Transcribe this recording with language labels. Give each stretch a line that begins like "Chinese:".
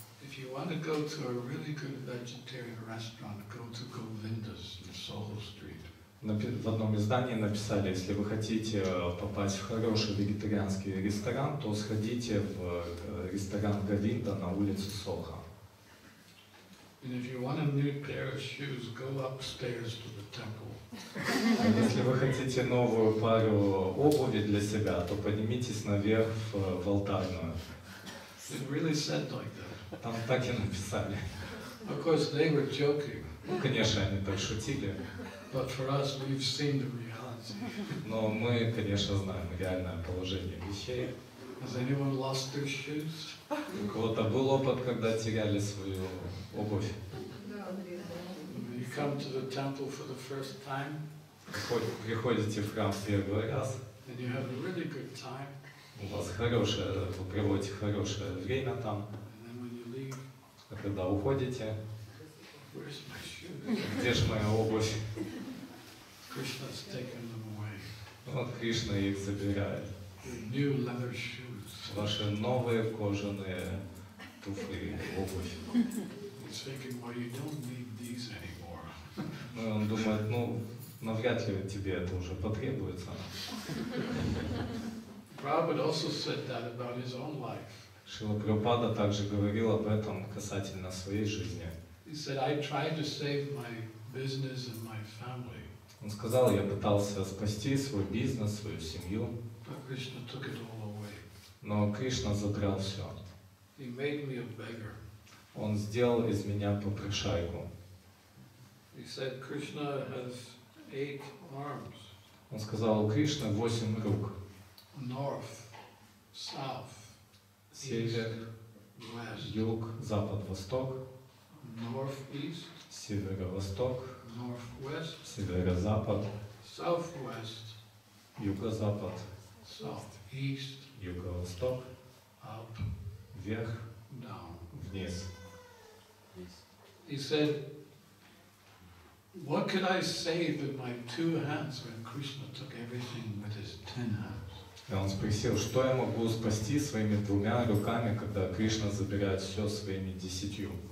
English: If you want to go to a really good vegetarian restaurant, go to Govinda's in Soho Street.
Russian: В одном издании написали, если вы хотите попасть в хороший вегетарианский ресторан, то сходите в ресторан Говинда на улице Сохо. Если вы хотите новую пару обуви для себя, то поднимитесь наверх в алтарную.
English: It really said like that.
Russian: Там так и написали.
English: Of course, they were joking.
Russian: Ну, конечно, они так шутили.
English: But for us, we've seen the reality.
Russian: Но мы, конечно, знаем реальное положение вещей.
English: Has anyone lost their shoes?
Russian: У кого-то был опыт, когда теряли свою обувь.
English: You come to the temple for the first time.
Russian: Приходите в храм в первый раз.
English: And you have a really good time.
Russian: У вас хорошее, вы проводите хорошее время там.
English: And then when you leave.
Russian: А когда уходите,
English: where's my shoes?
Russian: Где же моя обувь?
English: Krishna's taken them away.
Russian: Вот Кришна их забирает.
English: New leather shoes.
Russian: Ваши новые кожаные туфли, обувь.
English: He's thinking, well, you don't need these anymore.
Russian: Ну, он думает, ну, навряд ли тебе это уже потребуется.
English: Prabhupada also said that about his own life.
Russian: Шрила Прабхупада также говорил об этом касательно своей жизни.
English: He said, I tried to save my business and my family.
Russian: Он сказал, я пытался спасти свой бизнес, свою семью.
English: But Krishna took it all away.
Russian: Но Кришна забрал все.
English: He made me a beggar.
Russian: Он сделал из меня попрошайку.
English: He said, Krishna has eight arms.
Russian: Он сказал, у Кришны 8 рук.
English: North, south,
Russian: север,
English: west.
Russian: Юг, запад, восток.
English: Northeast,
Russian: северо-восток,
English: northwest,
Russian: северо-запад,
English: southwest,
Russian: юго-запад,
English: southeast,
Russian: юго-восток,
English: up,
Russian: вверх,
English: down,
Russian: вниз.
English: He said, what could I save with my two hands when Krishna took everything with his ten hands?
Russian: И он спросил, что я могу спасти своими двумя руками, когда Кришна забирает все своими десятью.